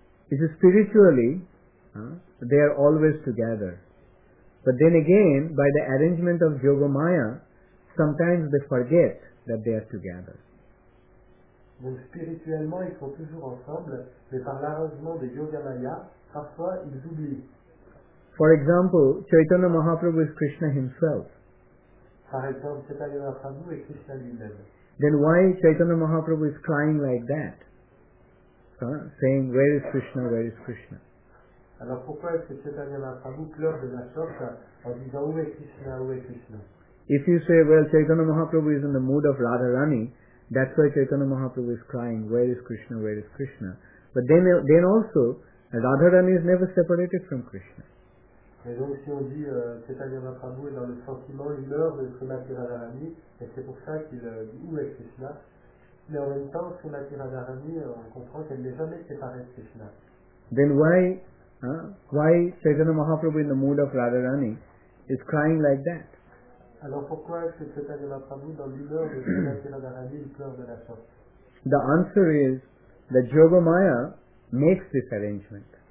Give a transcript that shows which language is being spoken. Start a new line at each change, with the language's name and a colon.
English: It is spiritually, they are always together. But then again, by the arrangement of Yogamaya, sometimes they forget that they are together.
French: Donc spirituellement, ils sont toujours ensemble, mais par l'arrangement de Yogamaya, parfois ils oublient.
English: For example, Chaitanya Mahaprabhu is Krishna himself.
French: Par exemple, Chaitanya Mahaprabhu est Krishna lui-même.
English: Then why Chaitanya Mahaprabhu is crying like that? Saying, where is Krishna, where is Krishna?
French: Alors pourquoi est-ce que Chaitanya Mahaprabhu pleure de la sorte en disant, où est Krishna, où est Krishna?
English: If you say, well, Chaitanya Mahaprabhu is in the mood of Radharani, that's why Chaitanya Mahaprabhu is crying, where is Krishna, where is Krishna? But then also, Radharani is never separated from Krishna.
French: Et donc si on dit Chaitanya Mahaprabhu est dans le sentiment, il meurt de Srimati Radharani, et c'est pour ça qu'il dit où est Krishna. Mais en même temps, Srimati Radharani, on comprend qu'elle n'est jamais séparée de Krishna.
English: Then why, why Chaitanya Mahaprabhu in the mood of Radharani is crying like that?
French: Alors pourquoi est-ce que Chaitanya Mahaprabhu dans l'humeur de Srimati Radharani pleure de la sorte?
English: The answer is that Yogamaya makes this arrangement.